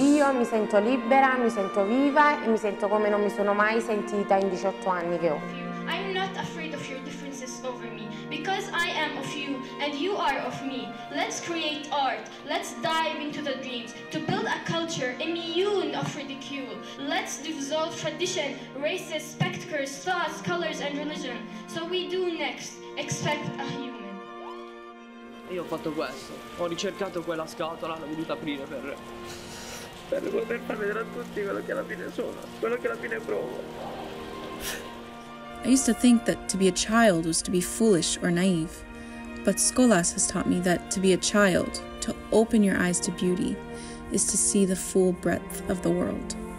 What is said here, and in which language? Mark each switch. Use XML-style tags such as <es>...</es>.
<it>Io mi sento libera, mi sento viva e mi sento come non mi sono mai sentita in 18 anni che ho.</it> <en>I'm not afraid of your differences over me, because I am of you and you are of me. Let's create art, let's dive into the dreams, to build a culture immune of ridicule. Let's dissolve tradition, races, spectacles, thoughts, colors and religion. So we do next, expect a human.</en> <it>Io ho fatto questo, ho ricercato quella scatola, l'ho voluta aprire per poter far vedere a tutti quello che alla fine sono, quello che alla fine provo.</it> <en>I used to think that to be a child was to be foolish or naive, but Skolas has taught me that to be a child, to open your eyes to beauty, is to see the full breadth of the world.</en>